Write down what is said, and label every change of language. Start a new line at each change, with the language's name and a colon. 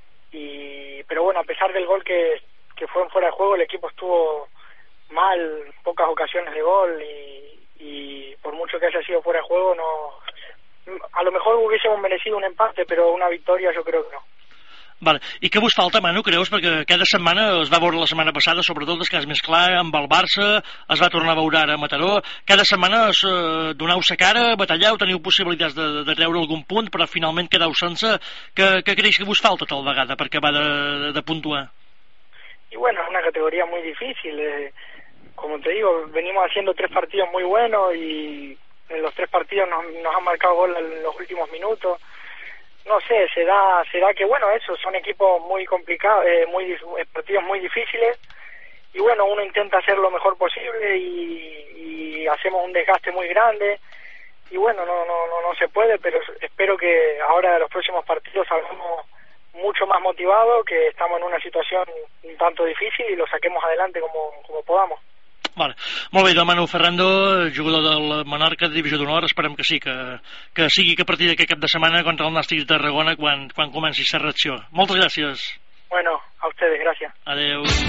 Spanish: Pero bueno, a pesar del gol que fue en fuera de juego, el equipo estuvo mal, pocas ocasiones de gol, y por mucho que haya sido fuera de juego, no, a lo mejor hubiésemos merecido un empate, pero una victoria yo creo que no.
Catalan: Vale. I què vos falta, Manu, creus? Perquè cada setmana, es va veure la setmana passada, sobretot el cas més clar, amb el Barça, es va tornar a veure ara a Mataró. Cada setmana donau sa cara, batalleu, teniu possibilitats de treure algun punt, però finalment quedau sense. Què creus que vos falta tal vegada per acabar de puntuar?
Spanish: Y bueno, es una categoría muy difícil. Como te digo, venimos haciendo tres partidos muy buenos y en los tres partidos nos han marcado gol en los últimos minutos. No sé, será que, bueno, eso, son equipos muy complicados, muy partidos muy difíciles, y bueno, uno intenta hacer lo mejor posible y hacemos un desgaste muy grande, y bueno, no se puede, pero espero que ahora de los próximos partidos salgamos mucho más motivados, que estamos en una situación un tanto difícil y lo saquemos adelante como podamos.
Catalan: Vale. Molt bé, doncs Manu Ferrando, jugador del Menorca de Divisió d'Honor, esperem que sí, que sigui que a partir d'aquest cap de setmana contra el Nàstic de Tarragona quan comenci la reacció. Moltes gràcies.
Spanish: Bueno, a ustedes, gracias.
Catalan: Adeu.